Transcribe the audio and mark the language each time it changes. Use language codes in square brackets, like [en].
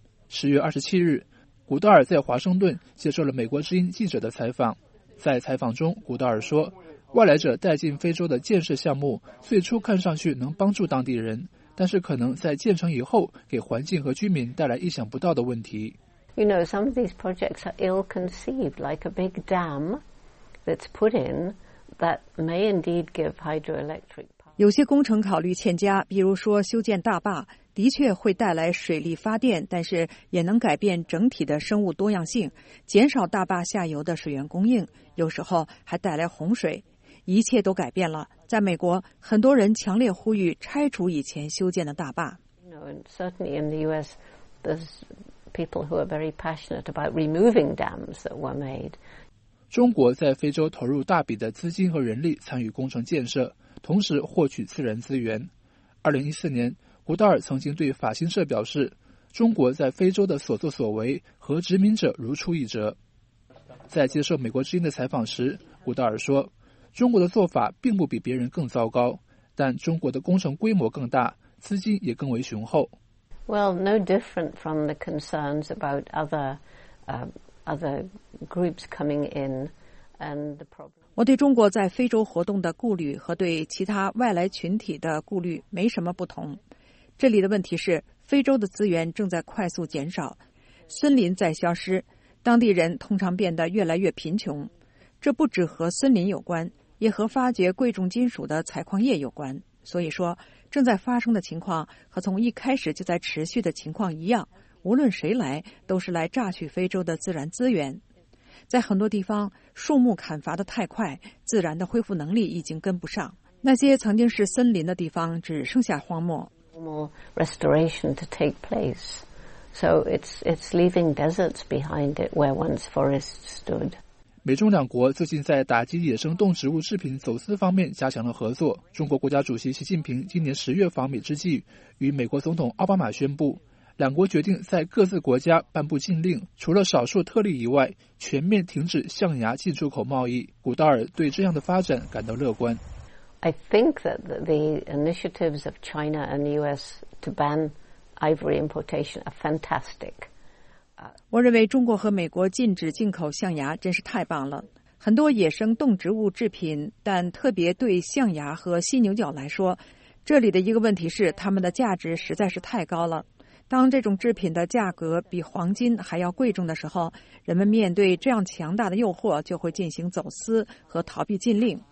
[zh] 10月27日，古道尔在华盛顿接受了美国之音记者的采访。在采访中，古道尔说，外来者带进非洲的建设项目最初看上去能帮助当地人，但是可能在建成以后给环境和居民带来意想不到的问题。 [en] You know, some of these projects are ill-conceived, like a big dam that's put in that may indeed give hydroelectric power. [zh] 有些工程考虑欠佳，比如说修建大坝，的确会带来水力发电，但是也能改变整体的生物多样性，减少大坝下游的水源供应，有时候还带来洪水。一切都改变了。在美国，很多人强烈呼吁拆除以前修建的大坝。 [en] You know, and certainly in the U.S., there's people who are very passionate about removing dams that were made. [zh] 中国在非洲投入大笔的资金和人力参与工程建设，同时获取自然资源。 2014年，古道尔曾经对法新社表示，中国在非洲的所作所为和殖民者如出一辙。在接受美国之音的采访时，古道尔说，中国的做法并不比别人更糟糕，但中国的工程规模更大，资金也更为雄厚。 [en] Well, no different from the concerns about other groups coming in and the problem. [zh] 我对中国在非洲活动的顾虑和对其他外来群体的顾虑没什么不同。这里的问题是，非洲的资源正在快速减少，森林在消失，当地人通常变得越来越贫穷。这不只和森林有关，也和发掘贵重金属的采矿业有关。所以说，正在发生的情况和从一开始就在持续的情况一样，无论谁来都是来榨取非洲的自然资源。在很多地方，树木砍伐得太快，自然的恢复能力已经跟不上，那些曾经是森林的地方只剩下荒漠。 [en] Restoration to take place. So it's leaving deserts behind it where once forests stood. [zh] 美中两国最近在打击野生动植物制品走私方面加强了合作。中国国家主席习近平今年10月访美之际，与美国总统奥巴马宣布，两国决定在各自国家颁布禁令，除了少数特例以外，全面停止象牙进出口贸易。古道尔对这样的发展感到乐观。 [en] I think that the initiatives of China and the U.S. to ban ivory importation are fantastic. [zh] 我认为中国和美国禁止进口象牙真是太棒了。很多野生动植物制品，但特别对象牙和犀牛角来说，这里的一个问题是它们的价值实在是太高了。当这种制品的价格比黄金还要贵重的时候，人们面对这样强大的诱惑就会进行走私和逃避禁令。